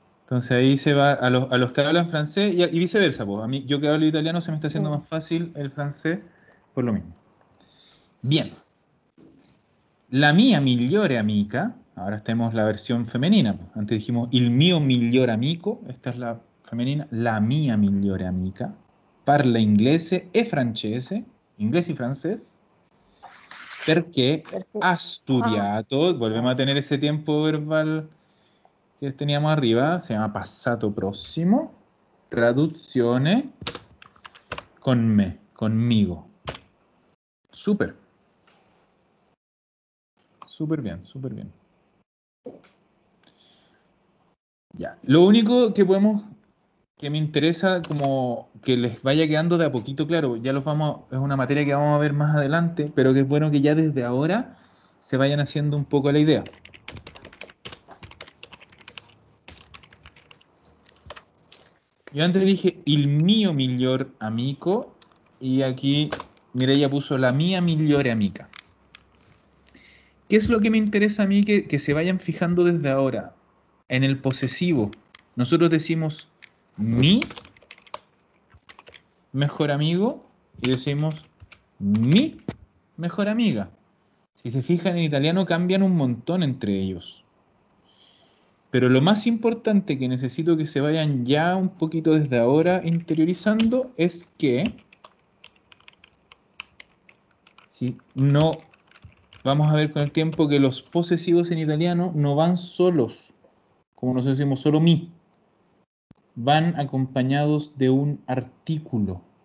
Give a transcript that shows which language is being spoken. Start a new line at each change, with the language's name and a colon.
Spanish: Entonces ahí se va a los que hablan francés y viceversa. Pues. A mí, yo que hablo italiano, se me está haciendo más fácil el francés por lo mismo. Bien.
Italian: La mia migliore amica,
Spanish: ahora tenemos la versión femenina. Antes dijimos
Italian: il mio miglior amico,
Spanish: esta es la femenina.
Italian: La mia migliore amica parla inglese e francese,
Spanish: inglés y francés,
Italian: perché ha studiato,
Spanish: volvemos a tener ese tiempo verbal... que teníamos arriba, se llama passato prossimo,
Italian: traduzione con me,
Spanish: conmigo. Súper. Súper bien, súper bien. Ya, lo único que podemos, que me interesa, como que les vaya quedando de a poquito, claro, ya los vamos, es una materia que vamos a ver más adelante, pero que es bueno que ya desde ahora se vayan haciendo un poco la idea. Yo antes dije
Italian: il mio miglior amico
Spanish: y aquí Mireia puso
Italian: la mia migliore amica.
Spanish: ¿Qué es lo que me interesa a mí que se vayan fijando desde ahora? En el posesivo. Nosotros decimos mi mejor amigo y decimos mi mejor amiga. Si se fijan, en italiano cambian un montón entre ellos. Pero lo más importante que necesito que se vayan ya un poquito desde ahora interiorizando es que si no vamos a ver con el tiempo que los posesivos en italiano no van solos, como nosotros decimos solo mi, van acompañados de un artículo.